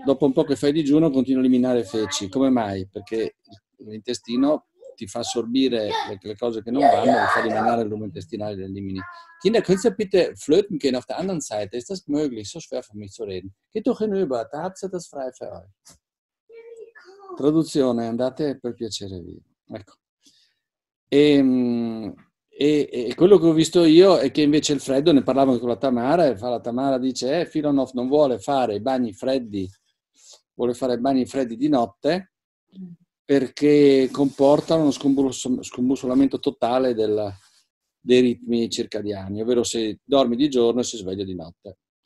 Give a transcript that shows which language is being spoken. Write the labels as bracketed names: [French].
[Italian] Dopo un po' che fai digiuno continua a eliminare feci. Come mai? Perché l'intestino ti fa assorbire le cose che non vanno e fa rimanere il lume intestinale e le elimini. [German] Kinder, könnt ihr bitte flöten gehen auf der anderen Seite? Ist das möglich? So schwer für mich zu reden. Geht doch hinüber, da hat sie das frei für euch. [Italian] Traduzione, andate per piacere via. Ecco. E quello che ho visto io è che invece il freddo, ne parlavo con la Tamara, e la Tamara dice: Filonov non vuole fare i bagni freddi, vuole fare i bagni freddi di notte, perché comportano uno scombussolamento totale dei ritmi circadiani, ovvero se dormi di giorno e si sveglia di notte.